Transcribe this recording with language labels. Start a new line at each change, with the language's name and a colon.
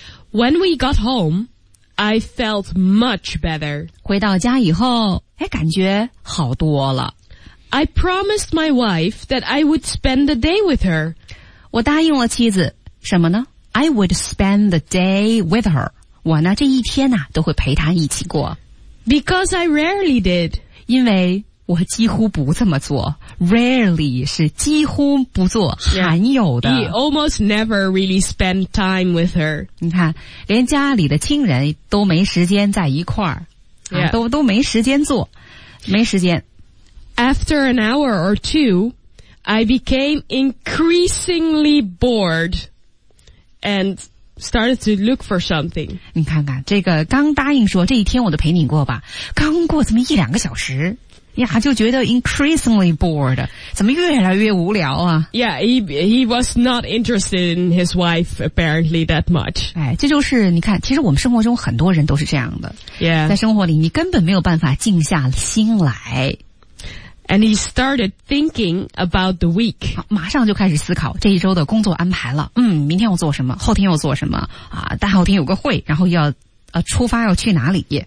English: When we got home, I felt much better.
Chinese: 回到家以后哎，感觉好多了。
English: I promised my wife that I would spend the day with her.
Chinese: 我答应了妻子，什么呢？
English: I would spend the day with her.
Chinese: 我呢，这一天呢，都会陪她一起过。
English: Because I rarely did.
Chinese: 因为我几乎不这么做。Rarely 是几乎不做，罕有的。
English: He almost never really spent time with her.
Chinese: 你看，连家里的亲人都没时间在一块儿。
English: Yeah.
Chinese: 都没时间做，没时间。
English: After an hour or two, I became increasingly bored and started to look for something.
Chinese: 你看看，这个刚答应说这一天我都陪你过吧，刚过这么一两个小时，呀，就觉得
English: increasingly bored，
Chinese: 怎么越来越无聊啊
English: ？Yeah, he was not interested in his wife apparently that much.
Chinese: 哎，这就是你看，其实我们生活中很多人都是这样的。
English: Yeah，
Chinese: 在生活里你根本没有办法静下心来。
English: And he started thinking about the week.
Chinese: 马上就开始思考这一周的工作安排了。嗯，明天我做什么？后天我做什么？啊，大后天有个会，然后要出发要去哪里？